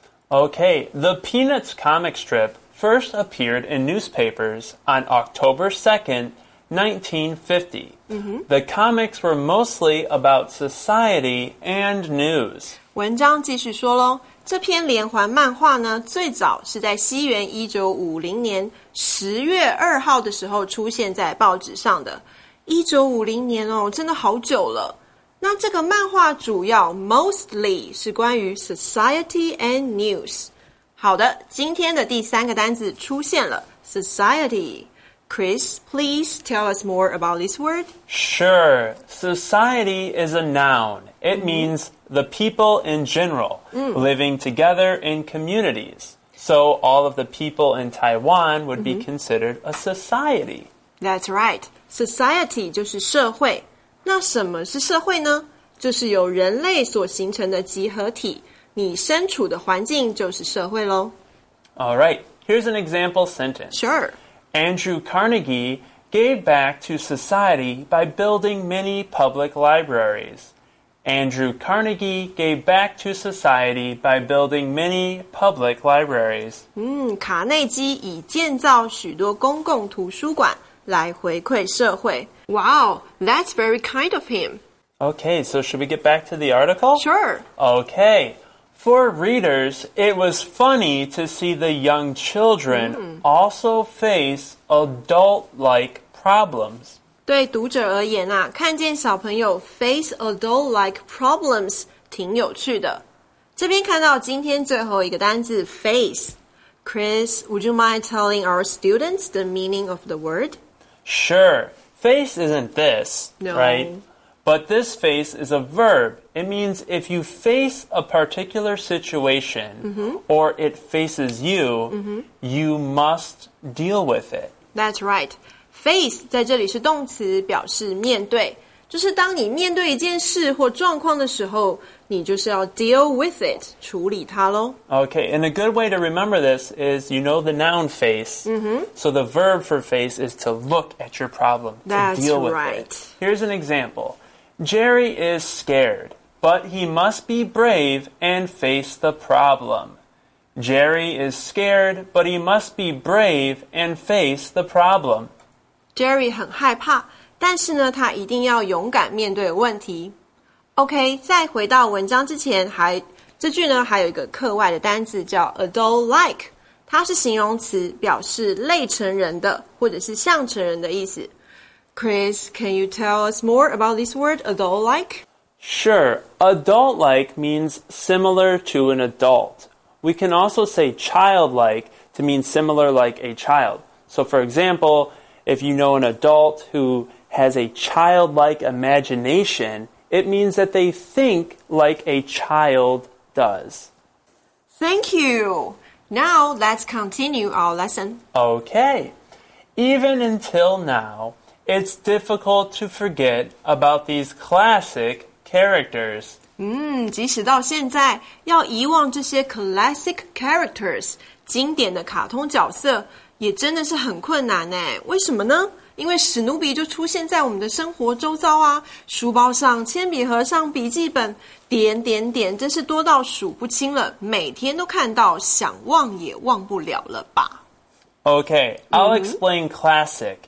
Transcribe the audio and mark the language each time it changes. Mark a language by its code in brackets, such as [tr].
[en] Okay, the Peanuts comic strip first appeared in newspapers on October 2nd, 1950.、Mm-hmm. The comics were mostly about society and news. [zh] 文章继续说咯，这篇连环漫画呢，最早是在西元1950年10月2号的时候出现在报纸上的。 1950年哦，真的好久了。那这个漫画主要 mostly 是关于 [en] society and news。 [zh] 好的，今天的第三个单字出现了 society。 [en] Chris, please tell us more about this word. Sure. Society is a noun. It means the people in general, living together in communities. So all of the people in Taiwan would be considered a society. That's right. [zh] Society 就是社会。那什么是社会呢？就是由人类所形成的集合体。你身处的环境就是社会咯。 [en] All right. Here's an example sentence. Sure. Andrew Carnegie gave back to society by building many public libraries. Andrew Carnegie gave back to society by building many public libraries. [zh] 卡内基以建造许多公共图书馆来回馈社会。 [en] Wow, that's very kind of him. Okay, so should we get back to the article? Sure. Okay. For readers, it was funny to see the young children also face adult-like problems. [zh] 对读者而言啊，看见小朋友 [en] face adult-like problems [zh] 挺有趣的。这边看到今天最后一个单字 face. [en] Chris, would you mind telling our students the meaning of the word? Sure. Face isn't this, right? But this face is a verb. It means if you face a particular situation, or it faces you, you must deal with it. That's right. [zh] Face 在这里是动词，表示面对。就是当你面对一件事或状况的时候，你就是要 [en] deal with it, [zh] 处理它咯。 [en] Okay, and a good way to remember this is you know the noun face. So the verb for face is to look at your problem, to deal with it. That's right. Here's an example. Jerry is scared, but he must be brave and face the problem. Jerry is scared, but he must be brave and face the problem. [zh] Jerry 很害怕，但是呢，他一定要勇敢面对问题。 OK, 在回到文章之前，还这句呢还有一个课外的单字叫 adult-like， 它是形容词，表示类成人的或者是像成人的意思。 [en] Chris, can you tell us more about this word adult-like? Sure, adult-like means similar to an adult. We can also say child-like to mean similar like a child. So for example, if you know an adult who has a child-like imagination, it means that they think like a child does. Thank you. Now let's continue our lesson. Okay. Even until now, it's difficult to forget about these classic characters. [zh] 即使到现在，要遗忘这些 [en] classic characters, [zh] 经典的卡通角色，也真的是很困难诶。为什么呢？因为史努比就出现在我们的生活周遭啊，书包上、铅笔盒上、笔记本，点点点，真是多到数不清了。每天都看到，想忘也忘不了了吧。 [en] Okay, I'll explain classic.